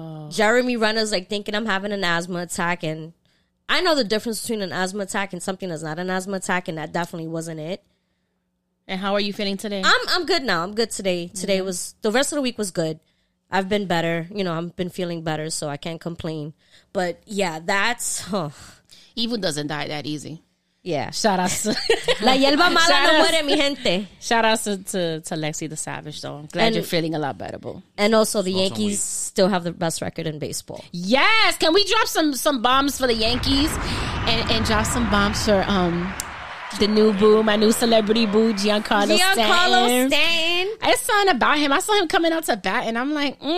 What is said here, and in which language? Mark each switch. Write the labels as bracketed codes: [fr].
[en] Jeremy Renner's like thinking I'm having an asthma attack. And I know the difference between an asthma attack and something that's not an asthma attack. And that definitely wasn't it. And how are you feeling today? I'm good now. I'm good today. Today was, the rest of the week was good. I've been better. You know, I've been feeling better. So I can't complain. But yeah, that's. Evil doesn't die that easy. Yeah. Shout out to [es] La hierba mala no muere, mi gente. [en] Shout out to Lexi the Savage, though. Glad you're feeling a lot better, boo. And also, the Yankees still have the best record in baseball. Yes. Can we drop some bombs for the Yankees? And drop some bombs for the new boo, my new celebrity boo, Giancarlo Stanton. I saw him about him. I saw him coming out to bat, and I'm like,